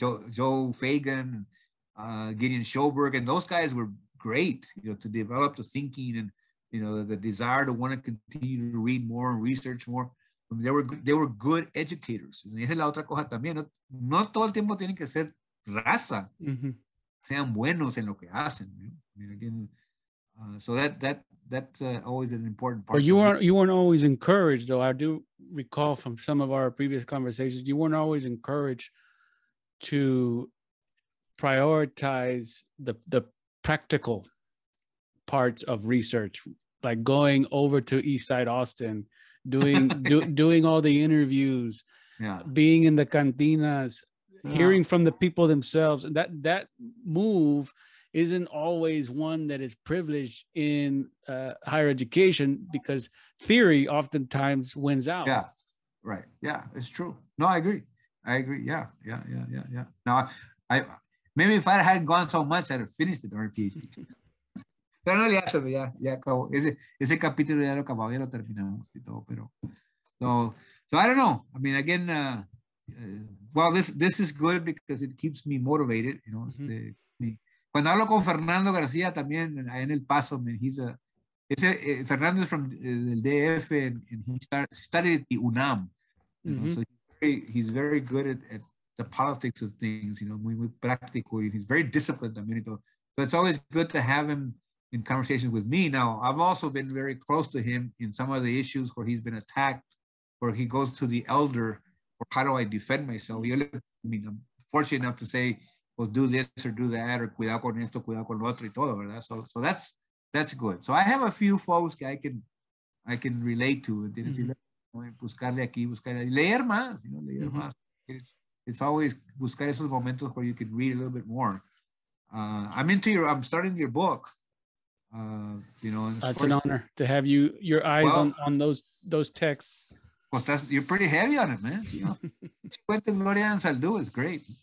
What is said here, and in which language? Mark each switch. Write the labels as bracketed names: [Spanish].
[English] Joe Fagan, Gideon Schoberg, and those guys were great, you know, to develop the thinking and, you know, the desire to want to continue to read more and research more. I mean, they were good educators. [Spanish] Y esa es la otra cosa también. No todo el tiempo tienen que ser raza. Sean buenos en lo que hacen. [English] You know? I mean, again, so that's always an important part. But you weren't always encouraged, though. I do recall from some of our previous conversations, you weren't always encouraged to prioritize the practical parts of research, like going over to East Side Austin, doing all the interviews, being in the cantinas, hearing from the people themselves. That move isn't always one that is privileged in higher education, because theory oftentimes wins out. Yeah, right. Yeah, it's true. No, I agree. Yeah. Now, maybe if I hadn't gone so much, I'd have finished the darn PhD. [Spanish] Pero no le hace, ya acabó. Ese capítulo ya lo acabó, ya lo terminamos y todo, pero... [English] So I don't know. I mean, again, this is good because it keeps me motivated, you know. Mm-hmm. [Spanish] Cuando hablo con Fernando García también en [English] El Paso, I mean, Fernando is from the DF and he studied at the UNAM. You mm-hmm. know, so he's very good at the politics of things, you know, [Spanish] muy, muy práctico, [English] and he's very disciplined [Spanish] también y todo. [English] So it's always good to have him in conversations with me. Now, I've also been very close to him in some of the issues where he's been attacked, where he goes to the elder, or how do I defend myself? I mean, I'm fortunate enough to say, well, do this or do that, or [Spanish] cuidado con esto, cuidado con lo otro, y todo, ¿verdad? [English] So that's good. So I have a few folks that I can relate to. Mm-hmm. [Spanish] Buscarle aquí, buscarle ahí, leer más, [English] you know, [Spanish] leer mm-hmm. más. [English] It's always [Spanish] buscar esos momentos [English] where you can read a little bit more. I'm starting your book. It's an honor to have you, your eyes on those texts. Well, that's, you're pretty heavy on it, man. Chiquete Gloria and Saldú is great.